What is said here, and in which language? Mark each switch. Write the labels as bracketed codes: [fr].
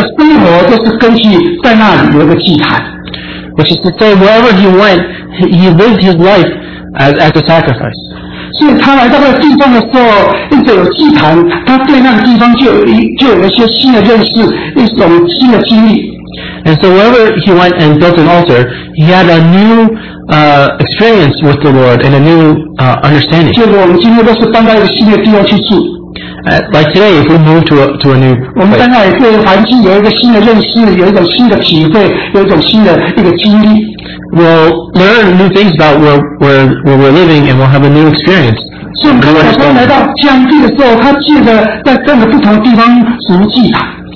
[zh] 也就是说，亚伯每到一个地方，他的生活都是根据在那里有一个祭坛。 [en] Which is to say, wherever he went, he lived his life as a sacrifice. [zh] 所以他来到这个地方的时候，因着有祭坛，他对那个地方就有一些新的认识，一种新的经历。 [en] And so wherever he went and built an altar, he had a new experience with the Lord and a new understanding. [zh] 就是我们今天都是搬到一个新的地方去住。 [en] Like today, if we move to a new place, [zh] 我们当然对环境有一个新的认识，有一种新的体会，有一种新的一个经历。 [en] We'll learn new things about where we're living, and we'll have a new experience. [zh] 所以，亚伯来到迦南地的时候，他借着在各个不同的地方筑祭坛。